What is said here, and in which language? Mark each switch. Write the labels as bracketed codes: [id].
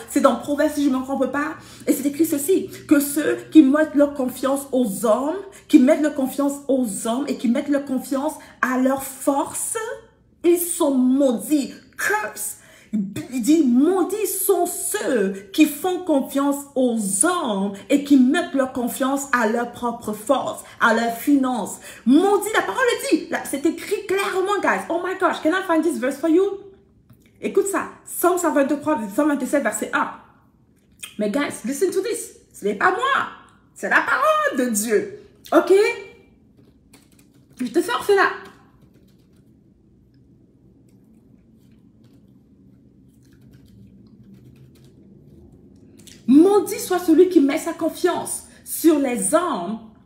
[fr] C'est dans Proverbes, si je ne m'en trompe pas. Et c'est écrit ceci, que ceux qui mettent leur confiance aux hommes, qui mettent leur confiance aux hommes et qui mettent leur confiance à leur force, ils sont maudits. [en] Curse. [fr] Il dit, maudits sont ceux qui font confiance aux hommes et qui mettent leur confiance à leur propre force, à leur finance. Maudits, la parole dit, là, c'est écrit clairement, guys. [en] Oh my gosh, can I find this verse for you? [fr] Écoute ça, [en] Psalm 127, verset 1. Mais guys, listen to this. [fr] Ce n'est pas moi, c'est la parole de Dieu. Ok? Je te fais refaire là. Maudit soit celui qui met sa confiance sur les hommes.